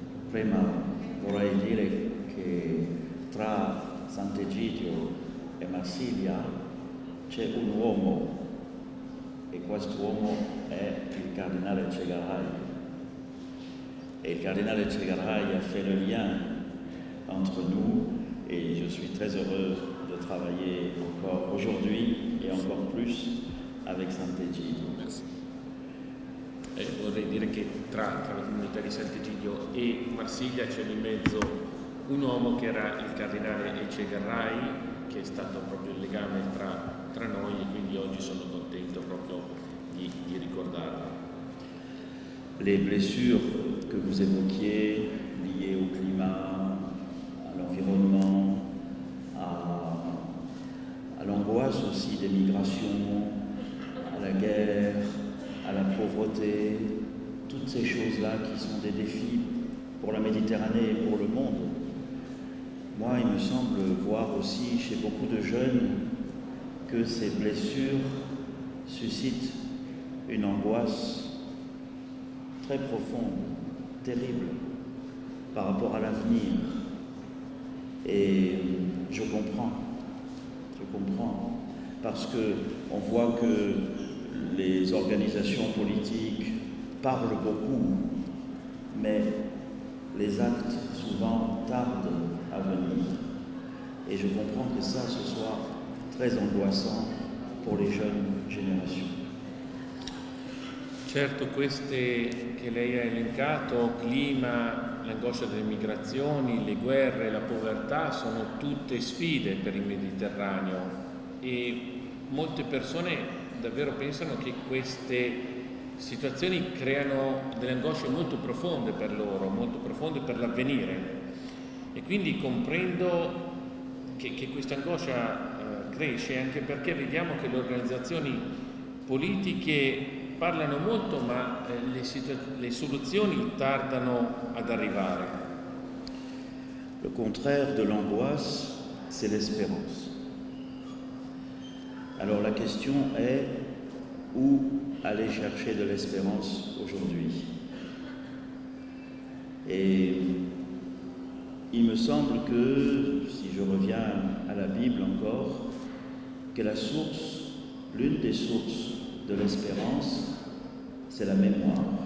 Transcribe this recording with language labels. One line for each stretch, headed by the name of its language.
Italian: Prima vorrei dire che tra Sant'Egidio e Marsiglia c'è un uomo, e questo uomo è il cardinale Cegarai. E il cardinale Cegarai ha fatto
French: le lien entre nous, e je suis très heureux de travailler encore aujourd'hui et encore plus avec Sant'Egidio.
Italian: E vorrei dire che tra la comunità di Sant'Egidio e Marsiglia c'è in mezzo un uomo che era il cardinale Ece Garrai, che è stato proprio il legame tra noi, e quindi oggi sono contento proprio di ricordarlo.
French: Le blessure che vous évoquiez liées au climat, all'environnement, à l'angoisse aussi des migrations, à la guerre, à la pauvreté, toutes ces choses-là qui sont des défis pour la Méditerranée et pour le monde. Moi, il me semble voir aussi chez beaucoup de jeunes que ces blessures suscitent une angoisse très profonde, terrible, par rapport à l'avenir. Et je comprends, parce que on voit que les organisations politiques parlent beaucoup, mais les actes souvent tardent à venir. Et je comprends que ça, ce soit très angoissant pour les jeunes générations.
Italian: Certo, queste che lei ha elencato, clima, l'angoscia delle migrazioni, le guerre, la povertà, sono tutte sfide per il Mediterraneo, e molte persone davvero pensano che queste situazioni creano delle angosce molto profonde per loro, molto profonde per l'avvenire. E quindi comprendo che questa angoscia cresce, anche perché vediamo che le organizzazioni politiche parlano molto, ma le soluzioni tardano ad arrivare.
French: Le contraire de l'angoisse, c'est l'espérance. Alors la question est, où aller chercher de l'espérance aujourd'hui? Et il me semble que, si je reviens à la Bible encore, que la source, l'une des sources de l'espérance, c'est la mémoire,